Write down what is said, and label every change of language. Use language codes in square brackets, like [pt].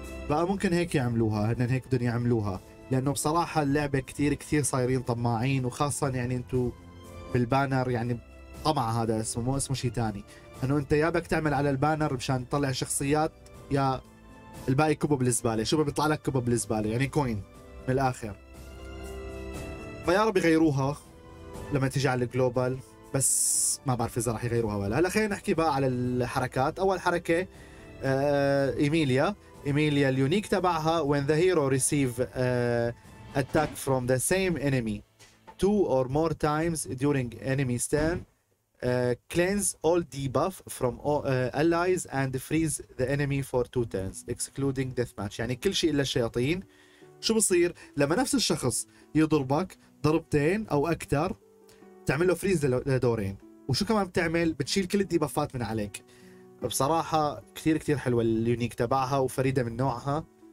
[ar] بقى ممكن هيك يعملوها، هن هيك بدهم يعملوها، لانه بصراحه اللعبه كثير كثير صايرين طماعين، وخاصه يعني انتو بالبانر يعني طمع هذا اسمه، مو اسمه شيء ثاني، انه انت يا بك تعمل على البانر مشان تطلع شخصيات يا الباقي كبه بالزباله. شو بيطلع لك؟ كبه بالزباله يعني كوين من الاخر. فيا رب يغيروها لما تيجي على الجلوبال، بس ما بعرف اذا راح يغيروها ولا هلا. خلينا نحكي بقى على الحركات. اول حركه ايميليا، إيميليا اليونيك تبعها [en] when the hero receive attack from the same enemy two or more times during enemy's turn cleanse all debuff from allies and freeze the enemy for two turns excluding deathmatch. [ar] يعني كل شيء إلا الشياطين. شو بصير لما نفس الشخص يضربك ضربتين أو أكثر؟ تعمل له freeze لدورين. وشو كمان بتعمل؟ بتشيل كل الديبافات من عليك. بصراحة كتير كتير حلوة اليونيك تبعها وفريدة من نوعها.